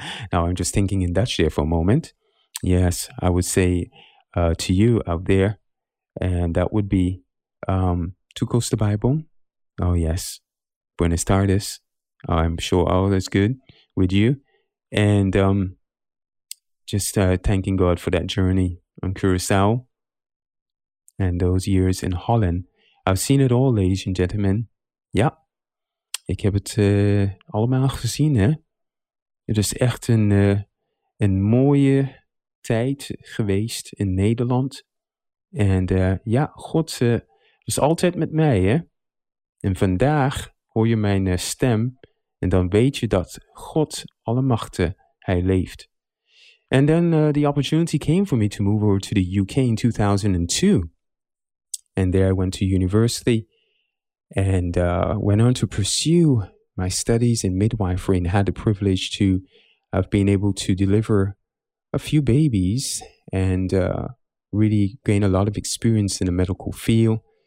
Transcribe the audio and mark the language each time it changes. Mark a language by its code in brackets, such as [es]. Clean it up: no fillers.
[en] Now I'm just thinking in Dutch there for a moment. Yes, I would say to you out there, and that would be Toekos de Bijbel. Oh yes, Buenos tardes. I'm sure all is good with you. And thanking God for that journey on Curacao and those years in Holland. I've seen it all, ladies and gentlemen. [nl] Yeah, ik heb het allemaal gezien, hè. Het is echt een mooie tijd geweest in Nederland. En ja, God is altijd met mij, hè. En vandaag hoor je mijn stem en dan weet je dat God alle machten, hij leeft. [en] And then the opportunity came for me to move over to the UK in 2002. And there I went to university and went on to pursue my studies in midwifery and had the privilege to have been able to deliver a few babies and really gain a lot of experience in the medical field.